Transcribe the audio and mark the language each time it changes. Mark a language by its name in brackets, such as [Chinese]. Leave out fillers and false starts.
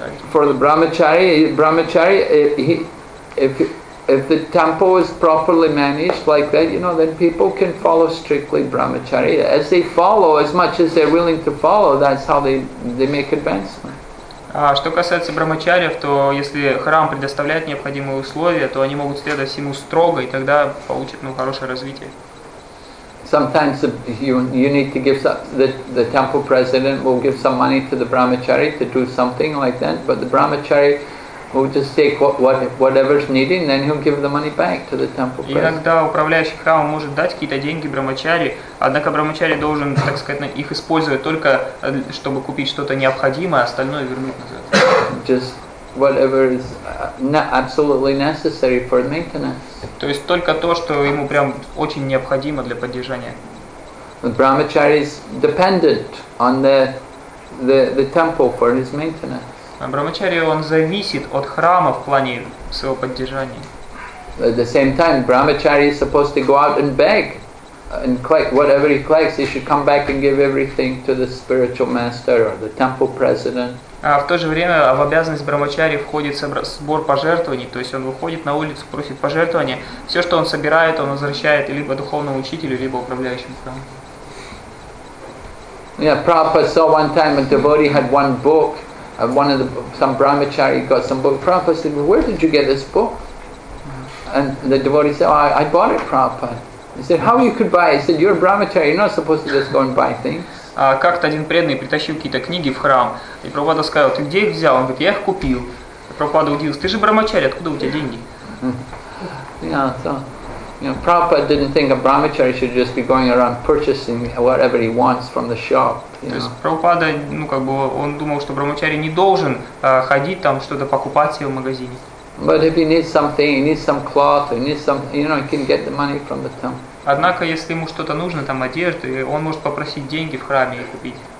[English] For the brahmachari, if the temple is properly managed like that, then people can follow strictly brahmachari. As they follow, as much as they're willing to follow, that's how they make advancement. [Russian] Что касается брахмачариев, то если храм предоставляет необходимые условия, то они могут следовать всему строго, и тогда получат хорошее развитие. [English] Sometimes you need to give the temple president will give some money to the brahmachari to do something like that, but the brahmachari will just take whatever's needed, and then he'll give the money back to the temple president. [Russian] Иногда управляющий храмом может дать какие-то деньги брахмачари, однако брахмачари должен, так сказать, их использовать только чтобы купить что-то необходимое, остальное вернуть назад. [English] Just whatever is absolutely necessary for maintenance. [Russian] То есть только то, что ему прям очень необходимо для поддержания. [English] Brahmachari is dependent on the the temple for his maintenance. [Russian] А брахмачари, он зависит от храма в плане своего поддержания. [English] At the same time, brahmachari is supposed to go out and beg and collect whatever he collects. He should come back and give everything to the spiritual master or the temple president. [Russian] А в то же время в обязанность брахмачари входит сбор пожертвований, то есть он выходит на улицу, просит пожертвования. Все, что он собирает, он возвращает либо духовному учителю, либо управляющему храму. [English] Yeah, Prabhupada saw one time a devotee had one book, one of the some brahmachari got some book. Prabhupada said, well, "Where did you get this book?" And the devotee said, oh, I bought it, Prabhupada. He said, how you could buy it? He said, you're a brahmachari, you're not supposed to just go and buy things. [Russian] Как-то один преданный притащил какие-то книги в храм, и Прабхупада сказал, ты где их взял? Он говорит, я их купил. Прабхупада удивился, ты же брахмачари, откуда у тебя деньги? [English] Yeah, so, you know, Prabhupada didn't think a brahmachari should just be going around purchasing whatever he wants from the shop. [Russian] То есть Прабхупада, ну как бы, он думал, что брахмачари не должен ходить там что-то покупать себе в магазине. [English] But if he needs something, he needs some cloth, he needs some, you know, he can get the money from the temple. [Russian] Однако, если ему что-то нужно, там одежда, он может попросить деньги в храме и купить.